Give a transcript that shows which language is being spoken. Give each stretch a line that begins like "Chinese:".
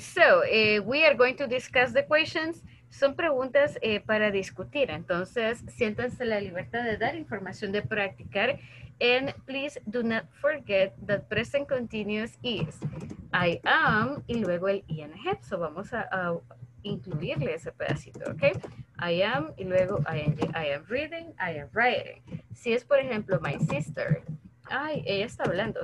English: So, we are going to discuss the questions.
Spanish: Son preguntas para discutir, entonces siéntanse la libertad de dar información, de practicar.
English: And please do not forget that present continuous is I am
Spanish: y luego el ing. So vamos a incluirle ese pedacito, ¿ok?
English: I am
Spanish: y luego
English: ing. I am reading, I am writing.
Spanish: Si es, por ejemplo,
English: my sister.
Spanish: Ay, ella está hablando.